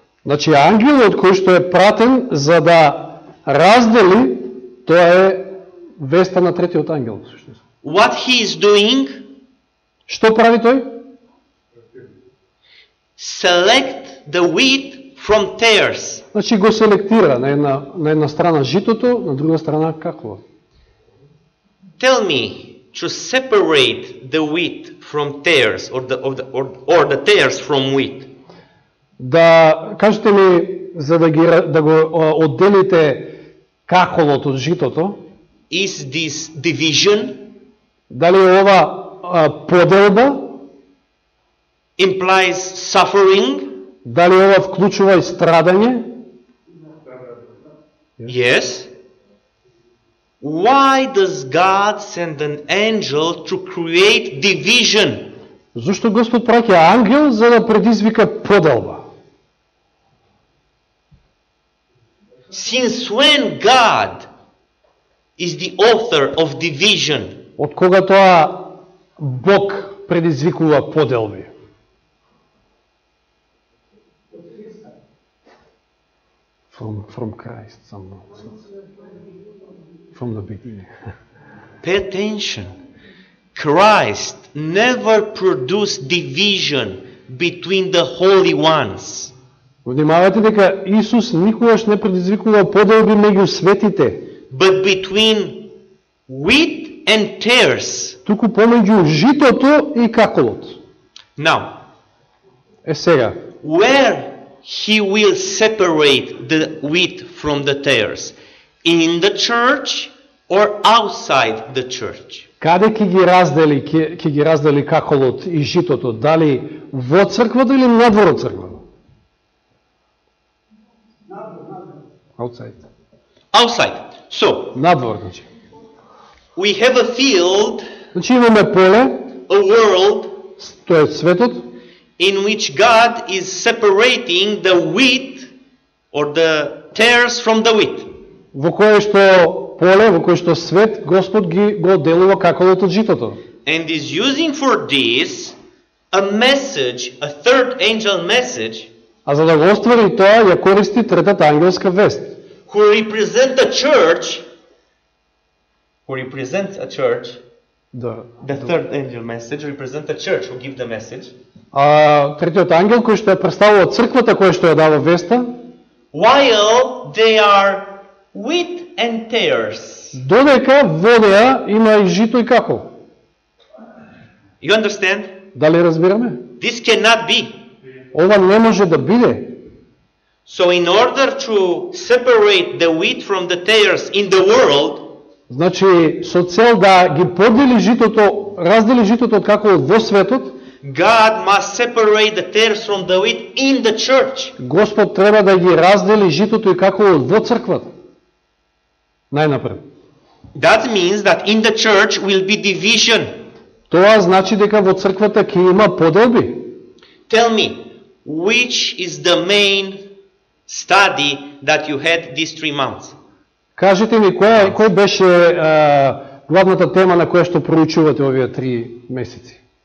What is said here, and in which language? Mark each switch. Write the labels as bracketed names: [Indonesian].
[Macedonian] Значи ангелот кој што е пратен за да раздели, тоа е веста на третиот ангел, всушност. [English] What he is doing? [Macedonian] Што прави тој? [English] Select the wheat from tares. [Macedonian] Значи го селектира на една страна житото, на друга страна какво? [English] Tell me to separate the wheat from tares or the tares from wheat. [Macedonian] Да кажете ми за да го одделите каколот од житото. [English] is this division? [Macedonian] Дали ова поделба [English] implies suffering? [Macedonian] Дали ова вклучува и страдање? [English] Yes. Why does God send an angel to create division? [Macedonian] Зошто Господ праќа ангел за да предизвика поделба? [English] Since when God is the author of division? [Macedonian] Од кога тоа Бог предизвикува поделби? [English] From Christ, from the beginning. Pay attention. Christ never produced division between the holy ones. [Macedonian] Внимавате дека Исус никогаш не предизвикува поделби меѓу светите. [English] But between wheat and tares. [Macedonian] Туку помеѓу житото и каколот. [English] Now. [Macedonian] Е сега. [English] Where he will separate the wheat from the tares? In the church or outside the church? [Macedonian] Каде ќе ги раздели, ќе ги раздели каколот и житото? Дали во црквата или надвор од црквата? [English] Outside. Outside. So, [Macedonian] надвор, значи. [English] We have a field. [Macedonian] Значи имаме поле. [English] A world. [Macedonian] Тоа е светот. [English] In which God is separating the wheat or the tares from the wheat. [Macedonian] Во кое што поле, во кое што свет, Господ ги го делува каколот од житото. [English] And is using for this a message, a third angel message. [Macedonian] А за да го оствари тоа, ја користи третата ангелска вест. [English] Who represent the church, who represents a church, the third angel message, represent the church, who give the message. [Macedonian] А третиот ангел кој што ја представува црквата која што ја дава веста, [English] while they are wheat and tares. [Macedonian] Додека во неа има и жито и како. [English] You understand? [Macedonian] Дали разбираме? [English] This cannot be. [Macedonian] Ова не може да биде. [English] So in order to separate the wheat from the tares in the world, [Macedonian] значи со цел да ги подели житото, раздели житото од како во светот, [English] God must separate the tares from the wheat in the church. [Macedonian] Господ треба да ги раздели житото и како во црквата. Најнапред. [English] That means that in the church will be division. [Macedonian] Тоа значи дека во црквата ќе има поделби. [English] Tell me, which is the main study that you had these 3 months? [Macedonian] Кажете ми кој беше главната тема на која што проучувате овие 3 месеци?